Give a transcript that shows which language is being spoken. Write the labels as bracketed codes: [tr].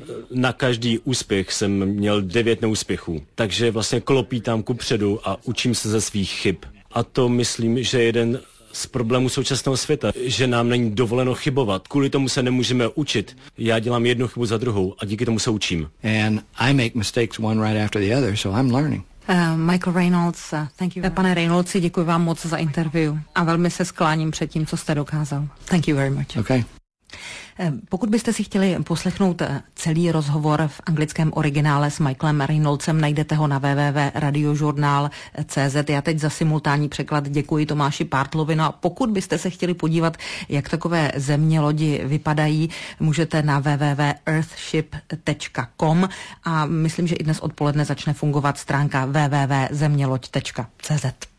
[cs] Na každý úspěch jsem měl 9 neúspěchů. Takže vlastně klopítám kupředu a učím se ze svých chyb. A to myslím, že jeden z problémů současného světa, že nám není dovoleno chybovat. Kvůli tomu se nemůžeme učit. Já dělám jednu chybu za druhou a díky tomu se učím. [en] And I make mistakes one right after the other, so I'm learning. Michael Reynolds, thank you. [cs] Pane Reynoldsi, děkuji vám moc za interview a velmi se skláním před tím, co jste dokázal. [en] Thank you very much. Okay. [cs] Pokud byste si chtěli poslechnout celý rozhovor v anglickém originále s Michaelem Reynoldsem, najdete ho na www.radiožurnal.cz. Já teď za simultánní překlad děkuji Tomáši Pártlovi. No a pokud byste se chtěli podívat, jak takové země lodi vypadají, můžete na www.earthship.com a myslím, že i dnes odpoledne začne fungovat stránka www.zemněloď.cz.